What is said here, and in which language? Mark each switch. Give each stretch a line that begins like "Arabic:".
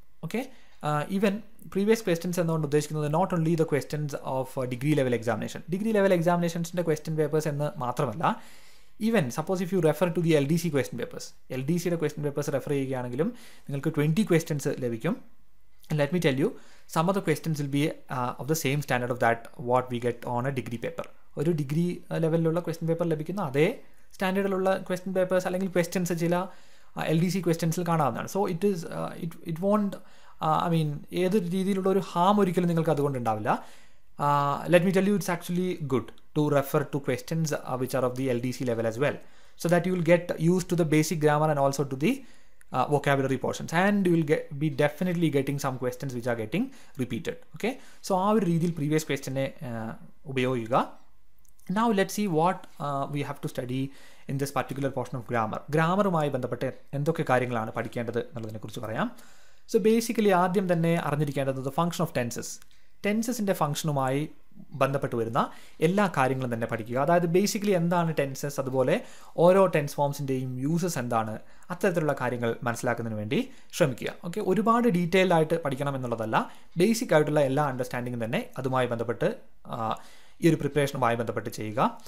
Malayalam: Okay, even previous questions എന്നുകൊണ്ട് ഉദ്ദേശിക്കുന്നത്
English: not only the questions of degree level examination,
Malayalam: degree level എക്സാമിനേഷൻസിൻ്റെ question papers എന്ന് മാത്രമല്ല,
English: even suppose if you refer to the L D C question papers,
Malayalam: L D സിയുടെ question papers refer ചെയ്യുകയാണെങ്കിലും നിങ്ങൾക്ക് 20 questions ലഭിക്കും.
English: And let me tell you, some of the questions will be of the same standard of that what we get on a degree paper.
Malayalam: ഒരു degree ലെവലിലുള്ള question paper ലഭിക്കുന്ന അതേ സ്റ്റാൻഡേർഡിലുള്ള question papers അല്ലെങ്കിൽ questions ചില L D C ക്വസ്റ്റ്യൻസിൽ കാണാവുന്നതാണ്.
English: so it is it won't I mean
Malayalam: ഏതൊരു രീതിയിലുള്ള ഒരു ഹാം ഒരിക്കലും നിങ്ങൾക്ക് അതുകൊണ്ട് ഉണ്ടാവില്ല.
English: Let me tell you it's actually good to refer to questions which are of the L D C level as well, so that you will get use to the basic grammar and also to the vocabulary portions and you will be definitely getting some questions which are getting repeated.
Malayalam: Okay, so ആ ഒരു രീതിയിൽ previous ക്വസ്റ്റ്യനെ ഉപയോഗിക്കുക.
English: Now let's see what we have to study in this particular portion of grammar.
Malayalam: ഗ്രാമറുമായി ബന്ധപ്പെട്ട് എന്തൊക്കെ കാര്യങ്ങളാണ് പഠിക്കേണ്ടത് എന്നുള്ളതിനെ കുറിച്ച് പറയാം.
English: So basically
Malayalam: ആദ്യം തന്നെ അറിഞ്ഞിരിക്കേണ്ടത്
English: the function of tenses.
Malayalam: ടെൻസസിൻ്റെ ഫംഗ്ഷനുമായി ബന്ധപ്പെട്ട് വരുന്ന എല്ലാ കാര്യങ്ങളും തന്നെ പഠിക്കുക. അതായത് ബേസിക്കലി എന്താണ് ടെൻസസ്, അതുപോലെ ഓരോ ടെൻസ് ഫോംസിൻ്റെയും യൂസസ് എന്താണ്, അത്തരത്തിലുള്ള കാര്യങ്ങൾ മനസ്സിലാക്കുന്നതിന് വേണ്ടി ശ്രമിക്കുക. ഓക്കെ, ഒരുപാട് ഡീറ്റെയിൽഡ് ആയിട്ട് പഠിക്കണം എന്നുള്ളതല്ല, ബേസിക് ആയിട്ടുള്ള എല്ലാ അണ്ടർസ്റ്റാൻഡിങ്ങും തന്നെ അതുമായി ബന്ധപ്പെട്ട് ഈ ഒരു പ്രിപ്പറേഷനുമായി ബന്ധപ്പെട്ട് ചെയ്യുക.